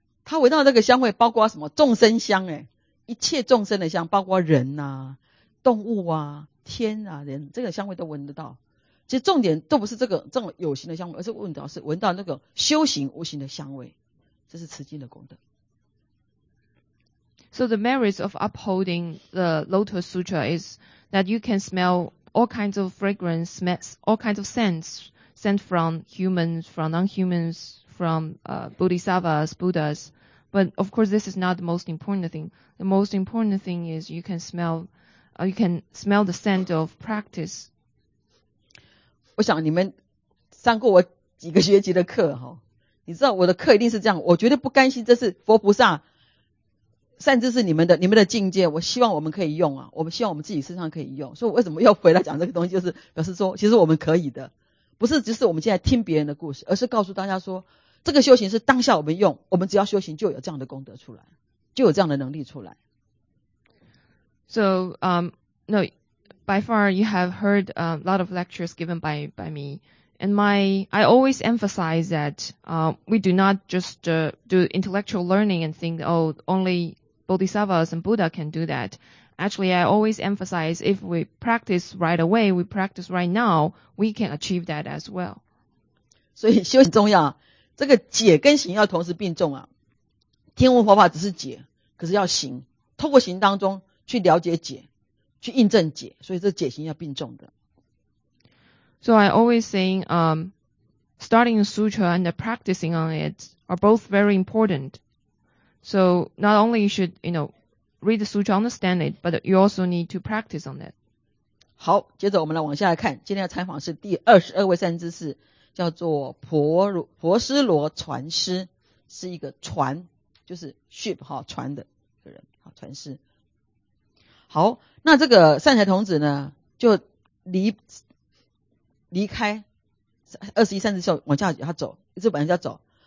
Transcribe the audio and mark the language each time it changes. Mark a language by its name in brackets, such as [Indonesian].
[Chinese] 他闻到这个香味包括什么？众生香，欸，一切众生的香，包括人啊、动物啊、天啊、人，这个香味都闻得到。其实重点都不是这个这种有形的香味，而是闻到是闻到那个修行无形的香味，这是持经的功德。 [English] So the merits of upholding the Lotus Sutra is that you can smell all kinds of fragrance, smells, all kinds of scents, scent from humans, from non-humans. From Bodhisattvas, Buddhas. But of course, this is not the most important thing. The most important thing is you can smell, you can smell the scent of practice. [Chinese] 我想你们上过我几个学期的课，哦，你知道我的课一定是这样，我绝对不甘心，这是佛菩萨，甚至是你们的境界，我希望我们可以用啊，我们希望我们自己身上可以用。所以我为什么要回来讲这个东西，就是表示说其实我们可以的。不是只是我们现在听别人的故事，而是告诉大家说，这个修行是当下我们用，我们只要修行就有这样的功德出来，就有这样的能力出来。 [English] So, no, by far you have heard a lot of lectures given by me, and I always emphasize that we do not just do intellectual learning and think, oh, only Bodhisattvas and Buddha can do that. Actually, I always emphasize if we practice right away, we practice right now, we can achieve that as well. [Chinese] 所以修行重要，这个解跟行要同时并重啊。听闻佛法只是解，可是要行，透过行当中去了解解，去印证解，所以这解行要并重的。 [English] So I always saying, starting a sutra and practicing on it are both very important. So not only should, you know,Read the sutra, understand it, but you also need to practice on that. [Chinese] 好，接着我们来往下来看，今天的采访是第22位善知识，叫做婆斯罗传师，是一个传，就是 ship, 好，传的人，好，传师。好，那这个善财童子呢，就离开21善知识往下他走，一直往下走。